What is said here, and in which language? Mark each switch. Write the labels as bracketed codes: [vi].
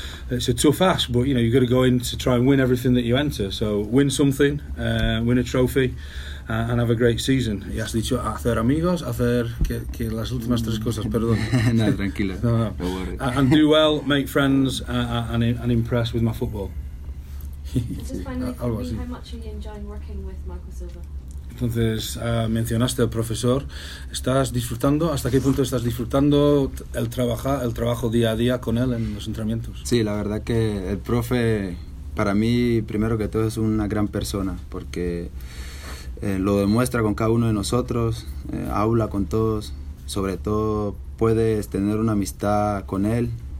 [en] It's a tough ask, but, you know, you've got to go in to try and win everything that you enter. So win something, win a trophy, and have a great season. [es] Y has dicho hacer amigos, hacer que las últimas tres cosas, perdón. No, tranquilo. No, no. [en] And do well, make friends, and impress with my football. Just finally, how much are you enjoying working with Marco Silva? [es] Entonces, mencionaste al profesor. ¿Estás disfrutando? ¿Hasta qué punto estás disfrutando el trabajo día a día con él en los entrenamientos? Sí, la verdad que el profe, para mí, primero que todo, es una gran persona, porque lo demuestra con cada uno de nosotros, habla con todos, sobre todo puedes tener una amistad con él.